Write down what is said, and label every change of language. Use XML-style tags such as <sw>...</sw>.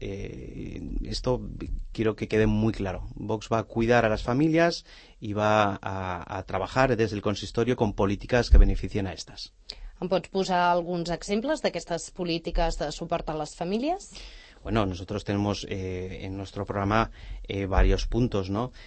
<es>Esto quiero que quede muy claro. Vox va a cuidar a las familias y va a trabajar desde el consistorio con políticas que beneficien a estas.</es> <ca>¿Em pots posar alguns exemples d'aquestes polítiques de suport a les famílies?</ca> <es>Bueno, nosotros tenemos en nuestro programa varios puntos, ¿no?</es>